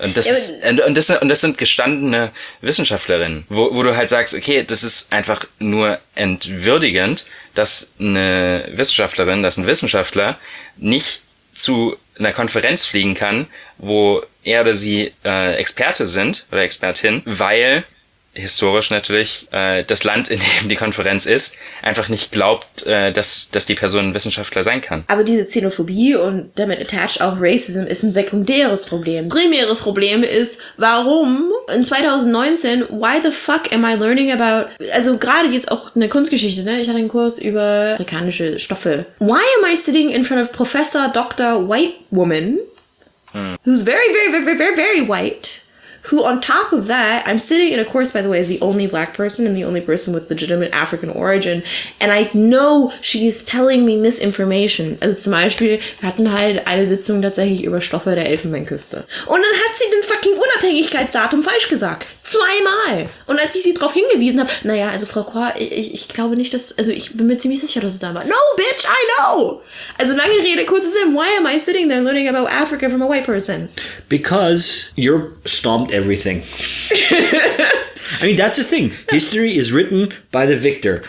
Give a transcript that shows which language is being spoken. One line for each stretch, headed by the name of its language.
German: Und das sind gestandene Wissenschaftlerinnen, wo du halt sagst, okay, das ist einfach nur entwürdigend, dass eine Wissenschaftlerin, dass ein Wissenschaftler nicht zu einer Konferenz fliegen kann, wo er oder sie Experte sind oder Expertin, weil historisch natürlich das Land, in dem die Konferenz ist, einfach nicht glaubt, dass die Person ein Wissenschaftler sein kann. Aber diese Xenophobie und damit attached auch Racism ist ein sekundäres Problem. Primäres Problem ist, warum in 2019,
English: why the fuck am I learning about,
German: also gerade jetzt auch eine Kunstgeschichte, ne? Ich hatte einen Kurs über afrikanische Stoffe.
English: Why am I sitting in front of Professor Dr. White Woman, who's very, very, very, very, very, very white, who on top of that, I'm sitting in a course, by the way, as the only black person and the only person with legitimate African origin, and I know she is telling me misinformation.
German: Also zum Beispiel, wir hatten halt eine Sitzung tatsächlich über Stoffe der Elfenbeinküste. Und dann hat sie den fucking Unabhängigkeitsdatum falsch gesagt. Zweimal. Und als ich sie darauf hingewiesen habe, naja, also Frau Kwa, ich glaube nicht, dass, also ich bin mir ziemlich sicher, dass es da war.
English: No, bitch, I know!
German: Also lange Rede, kurzer Sinn,
English: why am I sitting there learning about Africa from a white person? Because you're stomped everything. I mean, that's the thing. History is written by the victor.